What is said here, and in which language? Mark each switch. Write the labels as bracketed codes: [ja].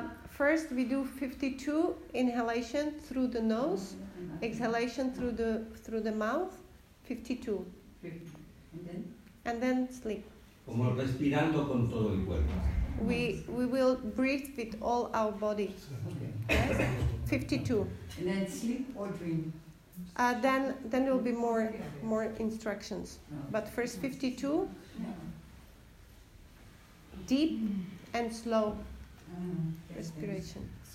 [en] First we do 52 inhalation through the nose, exhalation through the mouth, 52. And then sleep. [es] Como respirando con todo el cuerpo. [en] We will breathe with all our body. Okay. 52. And then sleep or dream? Then there will be more instructions. But first 52. Deep and slow respiration.